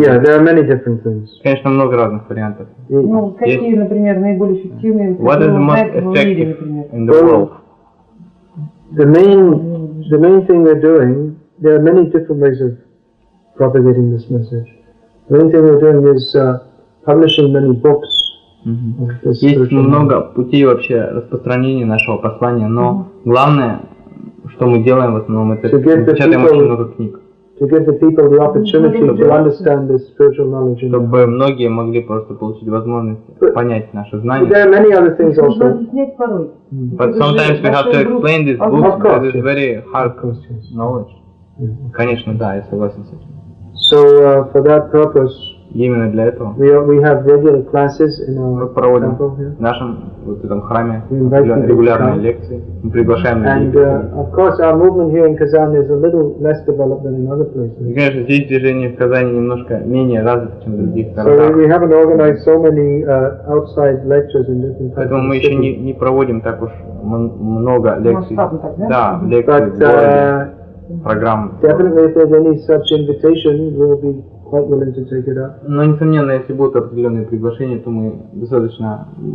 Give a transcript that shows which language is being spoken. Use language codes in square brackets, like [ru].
[en] Yeah, there are many different things. [ru] Конечно, много разных вариантов. Ну, какие, например, наиболее эффективные? [en] What is the most effective in the world? The main thing we're doing, there are many different ways of propagating this message. The main thing we're doing is publishing many books. [ru] Есть много путей вообще распространения нашего послания, но главное, что мы делаем в основном, это печатаем очень много книг. [en] To give the people the opportunity to understand this spiritual knowledge. [ru] Чтобы многие могли просто получить возможность понять наше знание. [en] There are many other things also. But sometimes we have to explain this book, because it's very hard knowledge. [ru] Конечно, да, я согласен с этим. [en] So for that purpose. [ru] Именно для этого. [en] We have regular classes in our temple. [ru] Мы проводим в нашем вот этом храме регулярные лекции. Мы приглашаем людей. [en] And of course our movement here in Kazan is a little less developed than in other places. [ru] И, конечно, здесь движение в Казани немножко менее развито, чем в других городах. [en] So we haven't organized so many outside lectures in different places. [ru] Поэтому мы еще не проводим так уж много лекций. Да, лекции в городе, программы. [en] Definitely, if there's any such invitation, we'll be quite willing to take it up. [ru] Но несомненно, если будут определенные приглашения, то мы достаточно.